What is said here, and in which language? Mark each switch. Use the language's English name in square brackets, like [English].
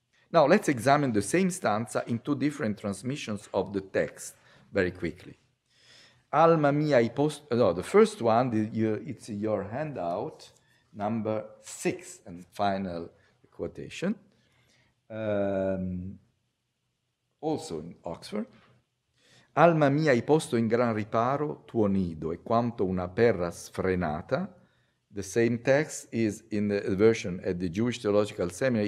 [English] Now let's examine the same stanza in two different transmissions of the text very quickly. [Italian] Alma mia, [English] the first one, it's your handout. Number six and final quotation, also in Oxford. [Italian] Alma mia, hai posto in gran riparo tuo nido e quanto una perra sfrenata. [English] The same text is in the version at the Jewish Theological Seminary.